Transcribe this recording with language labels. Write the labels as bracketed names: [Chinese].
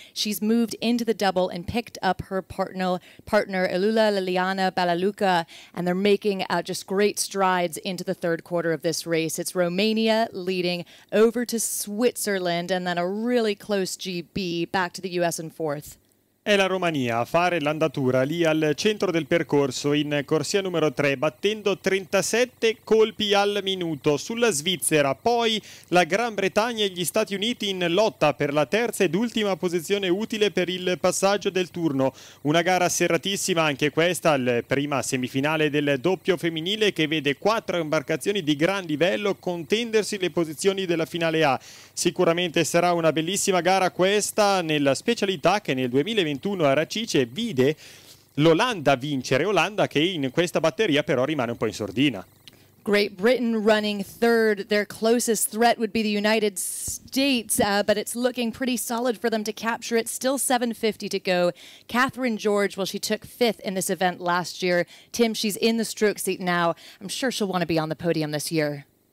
[English] She's moved into the double and picked up her partner Elula Liliana Balaluca, and they're making just great strides into the third quarter of this race. It's Romania leading over to Switzerland, and then a really close GB back to the U.S. in fourth. [Italian] È la Romania a fare l'andatura lì al centro del percorso in corsia numero 3, battendo 37 colpi al minuto sulla Svizzera, poi la Gran Bretagna e gli Stati Uniti in lotta per la terza ed ultima posizione utile per il passaggio del turno. Una gara serratissima anche questa, la prima semifinale del doppio femminile, che vede quattro imbarcazioni di gran livello contendersi le posizioni della finale A. Sicuramente sarà una bellissima gara questa, nella specialità che nel 2021 a Racice vide l'Olanda vincere, Olanda che in questa batteria però rimane un po' in sordina. [English] Great Britain running third. Their closest threat would be the United States, but it's looking pretty solid for them to capture it. Still 7:50 to go. Catherine George, well, she took fifth in this event last year. Tim, she's in the stroke seat now. I'm sure she'll want to be on the podium this year.